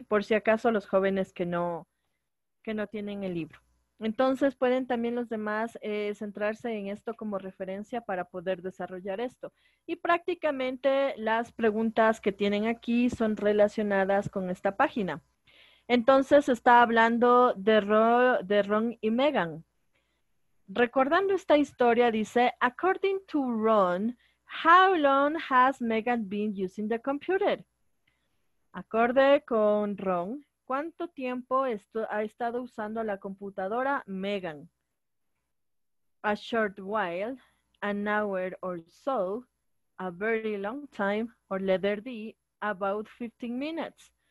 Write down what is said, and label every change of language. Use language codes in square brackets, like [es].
[es] Por si acaso los jóvenes que no tienen el libro. Entonces, pueden también los demás centrarse en esto como referencia para poder desarrollar esto. Y prácticamente las preguntas que tienen aquí son relacionadas con esta página. Entonces, está hablando de Ron y Megan. Recordando esta historia, dice, [en] according to Ron, how long has Megan been using the computer? [es] Acorde con Ron, ¿cuánto tiempo ha estado usando la computadora Megan? [en] A short while, an hour or so, a very long time, or letter D, about 15 minutes.